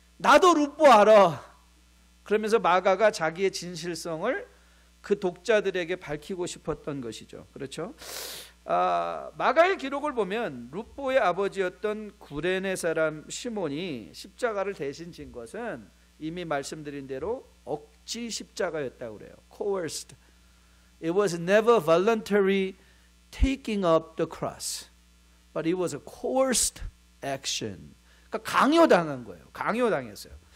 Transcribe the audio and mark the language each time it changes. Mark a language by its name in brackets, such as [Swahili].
[Korean] 나도 루포 알아. 그러면서 마가가 자기의 진실성을 그 독자들에게 밝히고 싶었던 것이죠. 그렇죠? 마가의 기록을 보면 루포의 아버지였던 구레네 사람 시몬이 십자가를 대신 진 것은 이미 말씀드린 대로 억지 십자가였다고 그래요. [English] Coerced. It was never voluntary taking up the cross. But it was a coerced action. [Korean] 그러니까 강요당한 거예요. 강요당했어요.